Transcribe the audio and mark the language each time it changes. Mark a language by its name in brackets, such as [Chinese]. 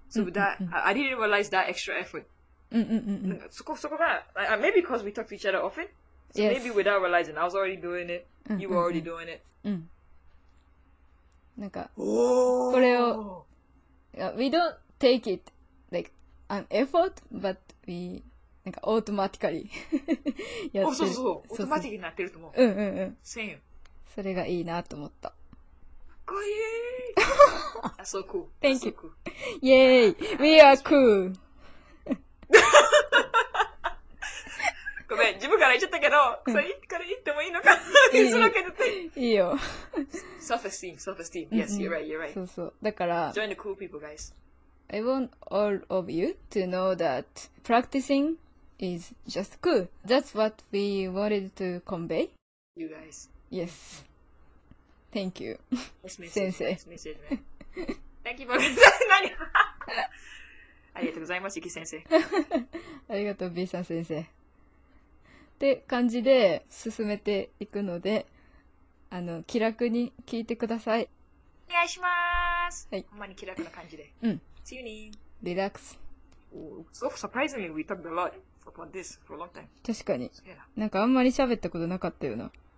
[English] So that, I didn't realize that extra effort. Maybe because we talk to each other often. So yes. Maybe without realizing, I was already doing it. You were already doing it. We don't take it like an effort, but we... [Japanese] なんかオートマティカリやってる。そうそう、オートマティカリになってると思う。うんうんうん。 [English] Same。 [Japanese] それがいいなと思った。かっこいい。あ、そう、cool。 [English] Thank you。 イエーイ、We are cool。 [Japanese] ごめん、自分から言っちゃったけど、それから言ってもいいのか。いいよ。 [English] Self-esteem、self-esteem。 Yes, you're right, you're right。 [Japanese] そうそう。だから。 [English] Join the cool people, guys。 I want all of you to know that practicing is just cool. That's what we wanted to convey. You guys. Yes. Thank you. Sensei. Thank you for listening. [Japanese] ありがとうございます、ゆき先生。ありがとう、B さん先生。って感じで進めていくので、気楽に聞いてください。お願いします。はい。ほんまに気楽な感じで。うん。 [English] See you in. Relax. So surprisingly, we talked a lot about this for a long time. [Japanese] 確かに。なんかあんまり喋ったことなかったよな。